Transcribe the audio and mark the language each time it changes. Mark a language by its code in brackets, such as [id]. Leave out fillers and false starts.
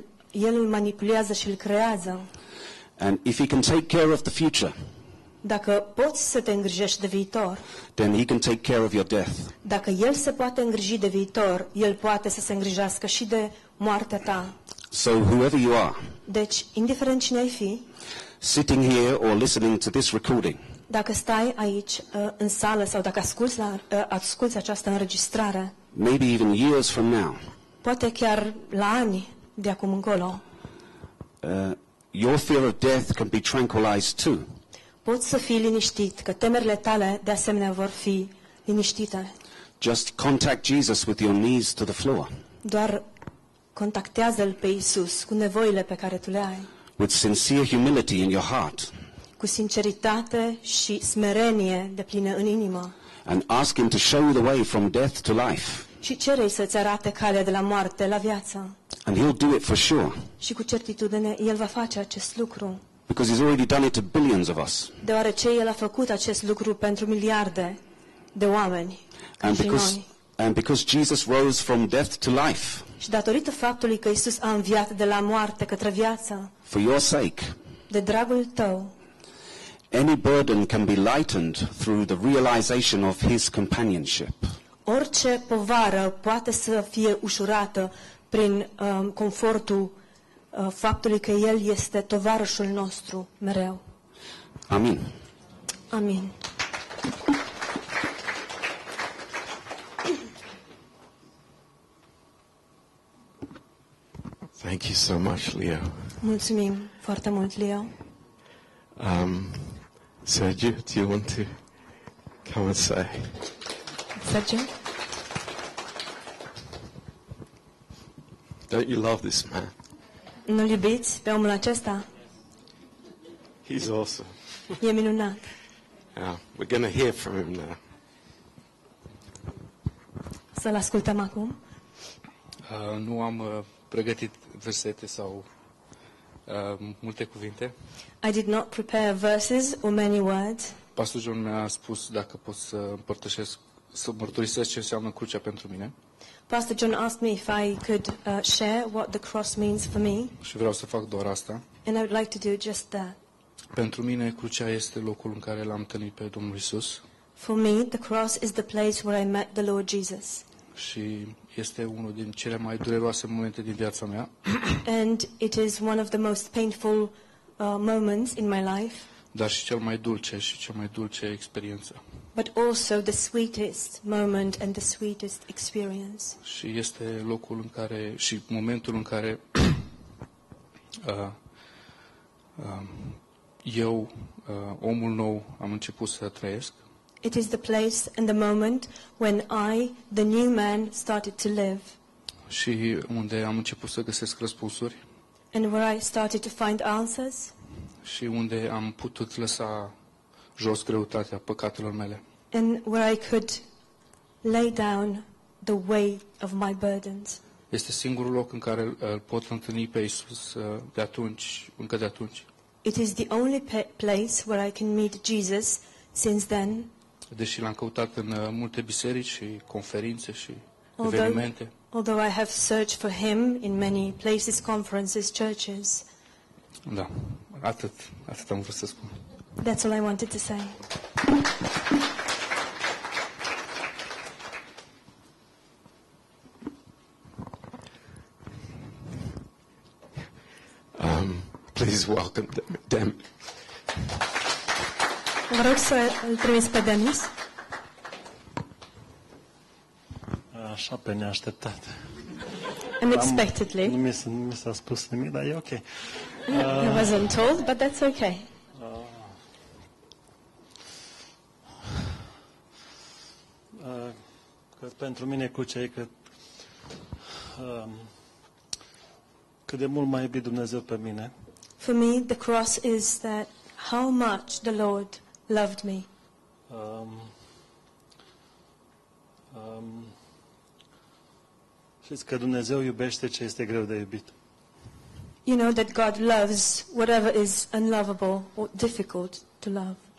[ro] El îl manipulează și îl creează. [en] And if he can take care of the future. [ro] Dacă poți să te îngrijești de viitor, [en] then he can take care of your death. [ro] Dacă el se poate îngriji de viitor, el poate să se îngrijească și de moartea ta. [en] So whoever you are, [ro] deci, indiferent cine ai fi, [en] sitting here or listening to this recording, [ro] dacă stai aici în sală sau dacă asculți această înregistrare, [en] maybe even years from now, [ro] poate chiar la ani de acum încolo, [en] your fear of death can be tranquilized too. [ro] Poți să fii liniștit, că temerile tale de asemenea vor fi liniștite. [en] Just contact Jesus with your knees to the floor. [ro] Doar contactează-L pe Iisus cu nevoile pe care tu le ai. [en] With sincere humility in your heart. [ro] Cu sinceritate și smerenie deplină în inimă. [en] And ask Him to show you the way from death to life. [ro] Și cere-i să-ți arate calea de la moarte la viață. [en] And He'll do it for sure. [ro] Și cu certitudine El va face acest lucru. [en] Because he's already done it to billions of us. [ro] Deoarece el a făcut acest lucru pentru miliarde de oameni. [en] And because Jesus rose from death to life. [ro] Și datorită faptului că Iisus a înviat de la moarte către viață. [en] For your sake. [ro] De dragul tău. [en] Any burden can be lightened through the realization of his companionship. [ro] Orice povară poate să fie ușurată prin confortul faptului că El este tovarășul nostru mereu. Amin. Amin. [en] Thank you so much, Leo. [ro] Mulțumim foarte mult, Leo. [en] Sergio, do you want to come and say? Sergio? Don't you love this man? [ro] Nu-l iubiți pe omul acesta? [en] He's awesome. [ro] E minunat. [en] Yeah, we're going to hear from him now. [ro] Să-l ascultăm acum. Nu am pregătit versete sau multe cuvinte. [en] I did not prepare verses or many words. [ro] Pastor John mi-a spus dacă pot să mărturisesc ce înseamnă crucea pentru mine. [en] Pastor John asked me if I could share what the cross means for me. [ro] Și vreau să fac doar asta. [en] And I would like to do just that. [ro] Pentru mine crucea este locul în care l-am întâlnit pe Domnul Iisus. [en] For me, the cross is the place where I met the Lord Jesus. [ro] Și este unul din cele mai dureroase momente din viața mea. [en] And it is one of the most painful moments in my life. [ro] Dar și cel mai dulce și cea mai dulce experiență. [en] But also the sweetest moment and the sweetest experience. [ro] Și este locul în care și momentul în care eu, omul nou, am început să trăiesc. [en] It is the place and the moment when I, the new man, started to live. [ro] Și unde am început să găsesc răspunsuri. [en] And where I started to find answers. [ro] Și unde am putut lăsa jos greutatea păcatelor mele. [en] And where I could lay down the weight of my burdens. [ro] Este singurul loc în care îl pot întâlni pe Iisus de atunci, încă de atunci. [en] It is the only place where I can meet Jesus since then. [ro] Deși l-am căutat în multe biserici și conferințe și evenimente. [en] Although I have searched for him in many places, conferences, churches. [ro] Da, atât am vrut să spun. [en] That's all I wanted to say. Please welcome them. [ro] Vă rog să îl primiți pe Denis. Așa, pe neașteptat. [en] Unexpectedly. [ro] Nu mi s-a spus nimic, dar e ok. [en] I wasn't told, but that's ok. [ro] Că pentru mine cu cei cât cât de mult m-a iubit Dumnezeu pe mine. [en] For me, the cross is that how much the Lord loved me. [ro] Știți că Dumnezeu iubește ce este greu de iubit. [en] You know that God loves whatever is unlovable or difficult to love.